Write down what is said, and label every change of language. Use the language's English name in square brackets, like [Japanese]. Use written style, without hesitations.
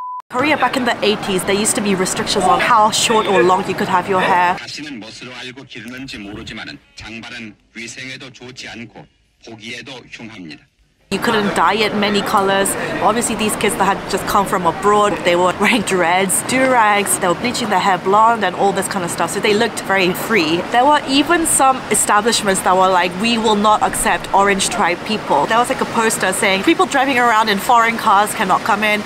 [English] Korea back in the 80s, there used to be restrictions on how short or long you could have your hair. [Korean] 다시는 멋으로 알고 기르는지 모르지만은 장발은 위생에도 좋지 않고 보기에도 흉합니다. [English] You couldn't dye it many colors. Obviously, these kids that had just come from abroad, they were wearing dreads, durags, they were bleaching their hair blonde and all this kind of stuff. So they looked very free. There were even some establishments that were like, we will not accept Orange Tribe people. There was like a poster saying, people driving around in foreign cars cannot come in.